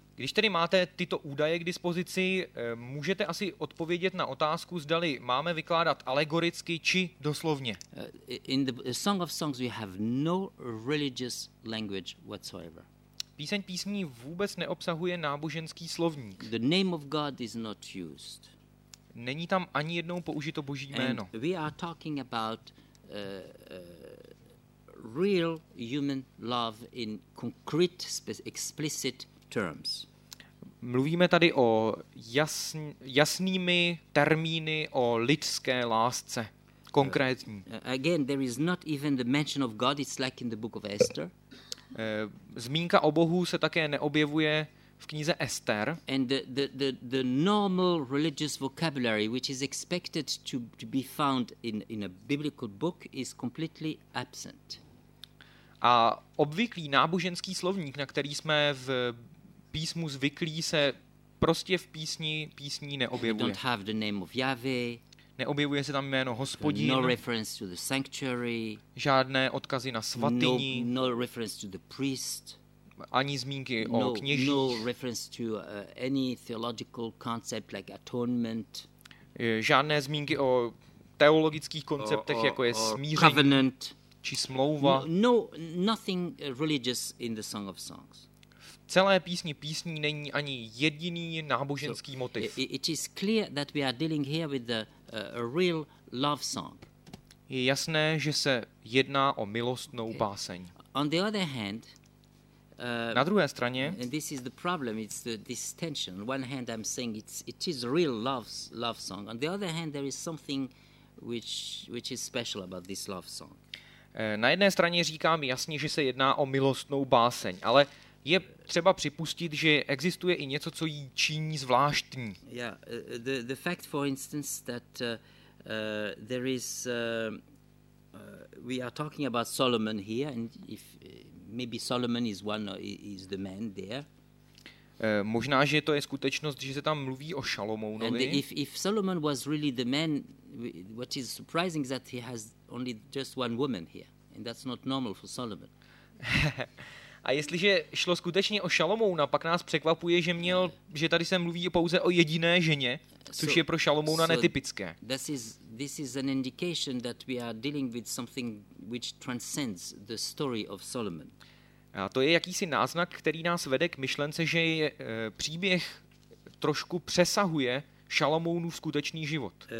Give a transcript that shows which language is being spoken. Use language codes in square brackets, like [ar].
[cs] Když tedy máte tyto údaje k dispozici, můžete asi odpovědět na otázku, zdali máme vykládat alegoricky či doslovně. [en] In the Song of Songs we have no religious language whatsoever. [cs] Píseň písní vůbec neobsahuje náboženský slovník. [en] The name of God is not used. [cs] Není tam ani jednou použito Boží jméno. [en] And we are talking about real human love in concrete, explicit terms. [cs] Mluvíme tady o jasnými termíny o lidské lásce, konkrétní. [en] Again, there is not even the mention of God, it's like in the book of Esther. [cs] Zmínka o Bohu se také neobjevuje v knize Ester. [en] And the normal religious vocabulary which is expected to be found in a biblical book is completely absent. [cs] A obvyklý náboženský slovník, na který jsme v písmu zvyklí, se prostě v písni písní neobjevuje. [en] We don't have the name of Yahweh, [cs] neobjevuje se tam jméno Hospodin. [en] No reference to the sanctuary, [cs] žádné odkazy na svatyni. [en] No reference to the priest, [cs] ani zmínky o kněžích. [en] No reference to any theological concept like atonement, [cs] žádné zmínky o teologických konceptech, jako je smíření. [en] Covenant, [cs] či smlouva. [en] No, nothing religious in the Song of Songs. [cs] Celé písni písní není ani jediný náboženský motiv. [en] It is clear that we are dealing here with a real love song. [cs] Je jasné, že se jedná o milostnou báseň. [en] On the other hand, [cs] Na druhé straně. [en] And this is the problem. It's the this tension. On one hand, I'm saying it is a real love song. On the other hand, there is something which is special about this love song. [cs] Na jedné straně říkám jasně, že se jedná o milostnou báseň, ale je třeba připustit, že existuje i něco, co jí činí zvláštní. [en] Yeah, the fact, for instance, that there is we are talking about Solomon here, and if maybe Solomon is one is the man there. [cs] Možná, že to je skutečnost, že se tam mluví o Šalomounovi. [en] And if Solomon was really the man, what is surprising is that he has only just one woman here, and that's not normal for Solomon. [cs] A jestliže šlo skutečně o Šalomouna, pak nás překvapuje, že měl, že tady se mluví pouze o jediné ženě, což je pro Šalomouna netypické. [en] This is an indication that we are dealing with something which transcends the story of Solomon. [cs] A to je jakýsi náznak, který nás vede k myšlence, že je, příběh trošku přesahuje Šalomounův skutečný život.